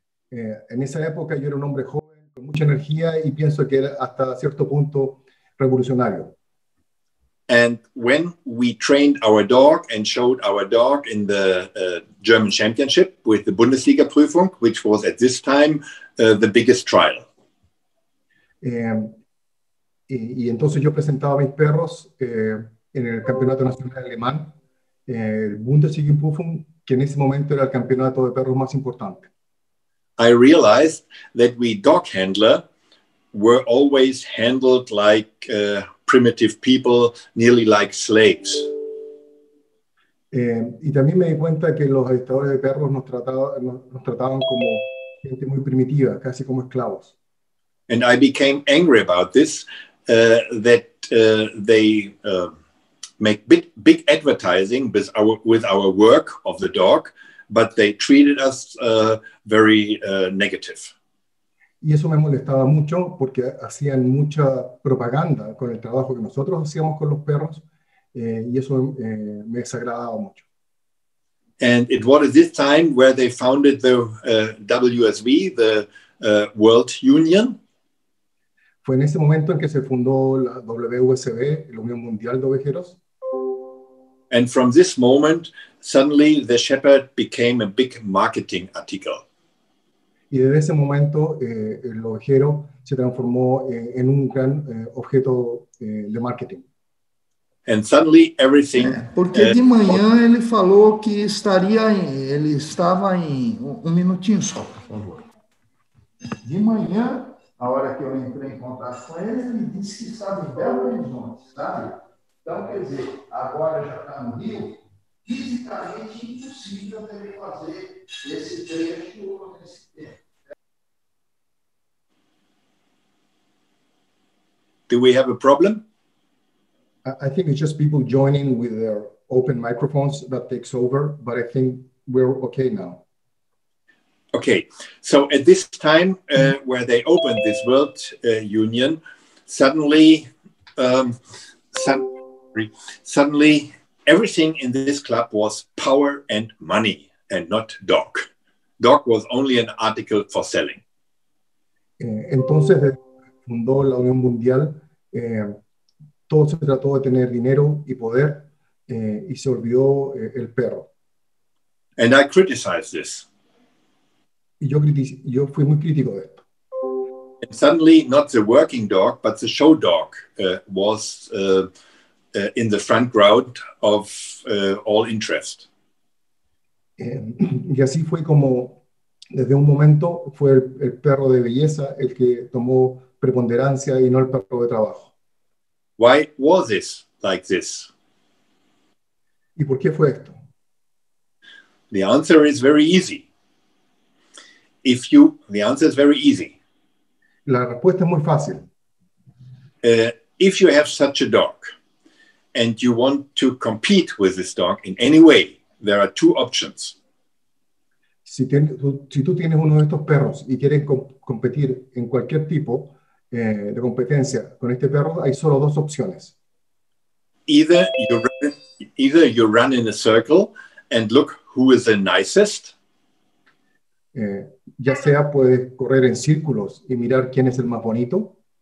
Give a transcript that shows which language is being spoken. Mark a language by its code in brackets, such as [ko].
[es] En esa época yo era un hombre joven con mucha energía y pienso que era hasta cierto punto revolucionario. [en] And when we trained our dog and showed our dog in the German championship with the Bundesliga Prüfung, which was at this time the biggest trial. [es] Y entonces yo presentaba a mis perros en el campeonato nacional alemán, el Bundesliga Prüfung, que en ese momento era el campeonato de perros más importante. [en] I realized that we dog handler were always handled like primitive people, nearly like slaves. [es] Y también me di cuenta que los adiestradores de perros nos trataban como gente muy primitiva, casi como esclavos. [en] And I became angry about this, that they make big advertising with our work of the dog, but they treated us very negative. [es] Y eso me molestaba mucho porque hacían mucha propaganda con el trabajo que nosotros hacíamos con los perros y eso me desagradaba mucho. [en] And it was at this time where they founded the WSV, the World Union. [es] Fue en ese momento en que se fundó la WSV, la Unión Mundial de Ovejeros. [en] And from this moment, suddenly the shepherd became a big marketing article. [es] y desde ese momento el ovejero se transformó en un gran objeto de marketing. [en] And suddenly everything. [pt] Porque de manhã ele falou que estaria em, ele estava em um minutinho só, por favor. De manhã, a hora que eu entrei em contato com ele, ele disse que estava em Belo Horizonte, sabe? Então, quer dizer, agora já está no Rio, fisicamente impossível ele fazer esse trecho nesse tempo. [en] Do we have a problem? I think it's just people joining with their open microphones that takes over, but I think we're okay now. Okay, so at this time where they opened this World Union, suddenly everything in this club was power and money and not dog. Dog was only an article for selling. [es] Entonces fundó la Unión Mundial, todo se trató de tener dinero y poder, y se olvidó el perro. [en] And I criticized this. [es] Y yo fui muy crítico de esto. [en] And suddenly, not the working dog, but the show dog was in the front ground of all interest. [es] Y así fue como, desde un momento, fue el perro de belleza el que tomó preponderancia y no el perro de trabajo. [en] Why was this like this? [es] ¿Y por qué fue esto? [en] The answer is very easy. The answer is very easy. [es] La respuesta es muy fácil. [en] If you have such a dog and you want to compete with this dog in any way, there are two options. [es] Si tú tienes uno de estos perros y quieres competir en cualquier tipo de competencia con este perro, hay solo dos opciones. [en] Either you run in a circle and look who is the nicest. [es] Ya sea puedes correr en círculos y mirar quién es el más bonito.